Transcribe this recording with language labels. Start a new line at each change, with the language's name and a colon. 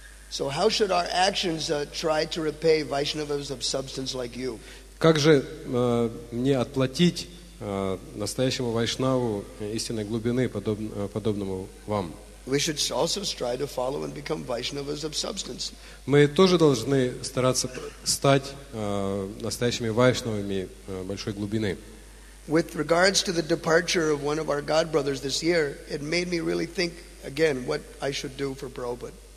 English: So how should our actions try to repay Vaishnavas of substance like you?
Russian: Как же мне отплатить настоящему вайшнаву истинной глубины, подобному вам?
English: We should also strive to follow and become Vaishnavas of substance.
Russian: Мы тоже должны стараться стать настоящими вайшнавами большой глубины.
English: With regards to the departure of one of our God brothers this year, it made me really think again what I should do for Prabhupada.